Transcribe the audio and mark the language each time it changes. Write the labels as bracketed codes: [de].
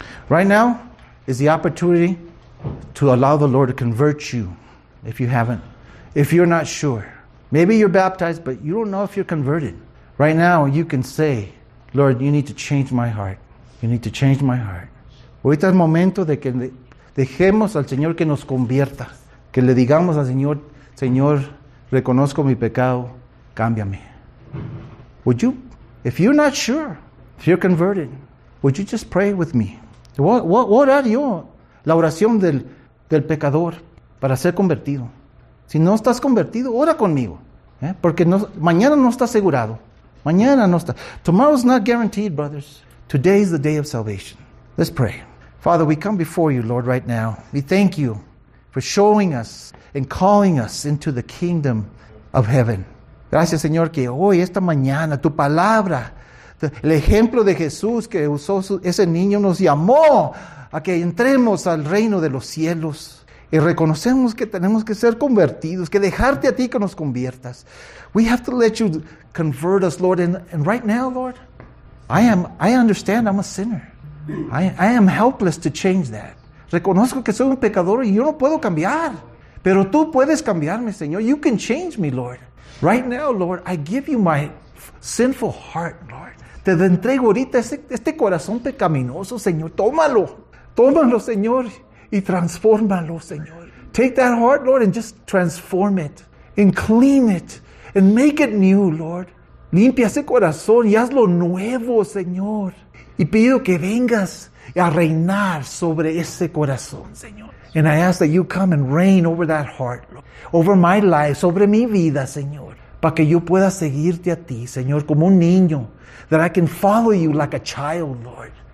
[en] Right now is the opportunity to allow the Lord to convert you if you haven't, if you're not sure. Maybe you're baptized, but you don't know if you're converted. Right now, you can say, Lord, you need to change my heart. You need to change my heart. [es] Ahorita es momento de que dejemos al Señor que nos convierta. Que le digamos al Señor, Señor, reconozco mi pecado, cámbiame. [en] Would you, if you're not sure, if you're converted, would you just pray with me? What are you? [es] La oración del pecador para ser convertido. Si no estás convertido, ora conmigo. Porque no, mañana no está asegurado. Mañana no está. [en] Tomorrow's not guaranteed, brothers. Today is the day of salvation. Let's pray. Father, we come before you, Lord, right now. We thank you for showing us and calling us into the kingdom of heaven. [es] Gracias, Señor, que hoy, esta mañana, tu palabra, el ejemplo de Jesús que usó ese niño, nos llamó a que entremos al reino de los cielos. Y reconocemos que tenemos que ser convertidos, que dejarte a ti que nos conviertas. [en] We have to let you convert us, Lord. And right now, Lord, I understand I'm a sinner. I am helpless to change that. [es] Reconozco que soy un pecador y yo no puedo cambiar. Pero tú puedes cambiarme, Señor. [en] You can change me, Lord. Right now, Lord, I give you my sinful heart, Lord. [es] Te entrego ahorita este corazón pecaminoso, Señor. Tómalo. Tómalo, Señor. Y transfórmalo, Señor. [en] Take that heart, Lord, and just transform it. And clean it. And make it new, Lord. [es] Limpia ese corazón y hazlo nuevo, Señor. Y pido que vengas a reinar sobre ese corazón, Señor. [en] And I ask that you come and reign over that heart, Lord. Over my life, [es] sobre mi vida, Señor. Para que yo pueda seguirte a ti, Señor, como un niño. [en] That I can follow you like a child, Lord.